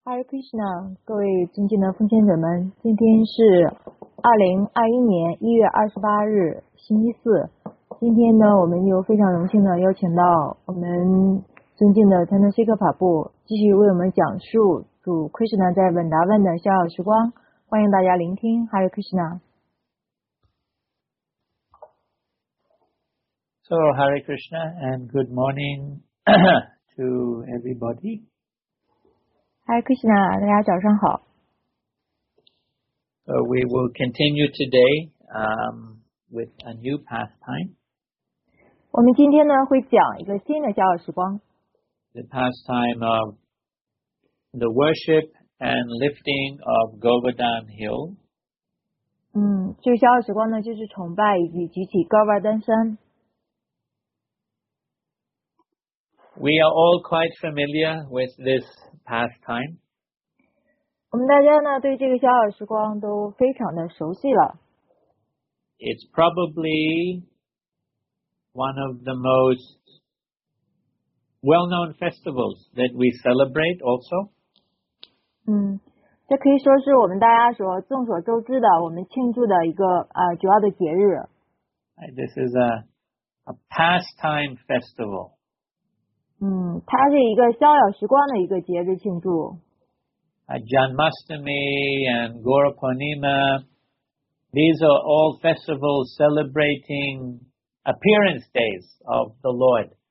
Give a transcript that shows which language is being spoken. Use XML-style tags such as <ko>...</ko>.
<zh>Hi Krishna，各位尊敬的奉献者们，今天是2021年1月28日，星期四。今天呢，我们又非常荣幸的邀请到我们尊敬的坦诺西克法布，继续为我们讲述主 Krishna 在文达万的逍遥时光。欢迎大家聆听，Hi Krishna。</zh> <en>So Hare Krishna and good morning to everybody.</en> <zh>Hi Krishna，大家早上好。</zh> <en>We will continue today with a new pastime.</en> <zh>我们今天呢会讲一个新的逍遥时光。</zh> <en>The pastime of the worship and lifting of Govardhan Hill.</en> <zh>这个逍遥时光呢就是崇拜以及举起高瓦丹山。</zh> <en>We are all quite familiar with this pastime.</en> <zh>我们大家呢对这个逍遥时光都非常的熟悉了。</zh> <en>It's probably one of the most well-known festivals that we celebrate also.</en> <zh>这可以说是我们大家所众所周知的，我们庆祝的一个主要的节日。</zh> <en>This is a pastime festival.</en> <zh>它是一个逍遥时光的一个节日庆祝。</zh> <en>Janmashtami and Gaurapurnima, these are all festivals celebrating appearance days of the Lord.</en>